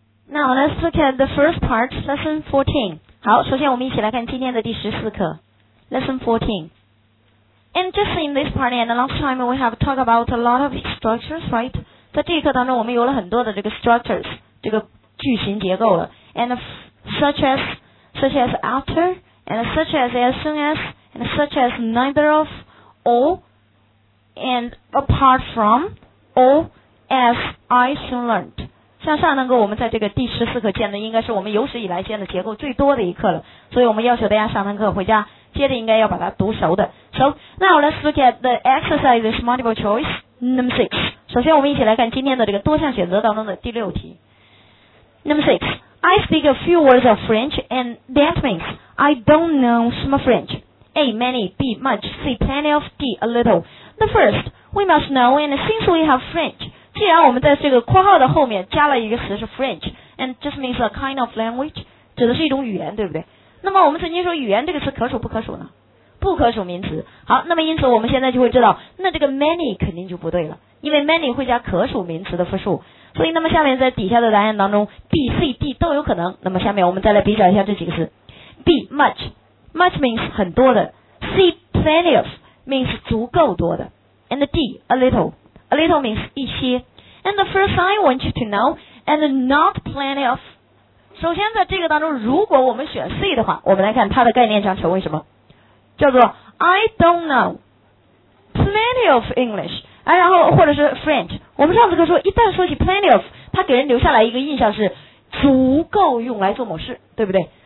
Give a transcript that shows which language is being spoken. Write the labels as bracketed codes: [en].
[en] Now let's look at the first part, lesson 14. [zh] 好，首先我们一起来看今天的第十四课 ， [en] lesson 14. And just in this part and the last time we have talked about a lot of structures, right? [zh] 在这一课当中，我们有了很多的这个 structures， 这个句型结构了。 [en] And such as after, and such as soon as, and such as neither of, or, and apart from, or as I soon learned. [zh] 像上堂课我们在这个第十四课见的应该是我们有史以来见的结构最多的一课了，所以我们要求大家上堂课回家接着应该要把它读熟的。 [en] So now let's look at the exercises multiple choice number 6. [zh] 首先我们一起来看今天的这个多项选择当中的第六题。 [en] Number 6. I speak a few words of French and that means I don't know some French. A. Many. B. Much. C. Plenty of. D. A little. The first, we must know and since we have French, [zh] 既然我们在这个括号的后面加了一个词是 [en] French and just means a kind of language [zh] 指的是一种语言，对不对？那么我们曾经说语言这个词可数不可数呢？不可数名词。好，那么因此我们现在就会知道那这个 many 肯定就不对了，因为 many 会加可数名词的复数，所以那么下面在底下的答案当中 B、C、D 都有可能。那么下面我们再来比较一下这几个词。 [en] B much much means [zh] 很多的， [en] C plenty of means [zh] 足够多的， [en] and D a littleA little means [zh] 一些。 [en] And the first I want you to know and not plenty of. [zh] 首先在这个当中如果我们选 C 的话，我们来看它的概念上成为什么，叫做 [en] I don't know plenty of English、 [zh] 哎、然后或者是 French。我们上次说一旦说起 plenty of 它给人留下来一个印象是足够用来做某事，对不对？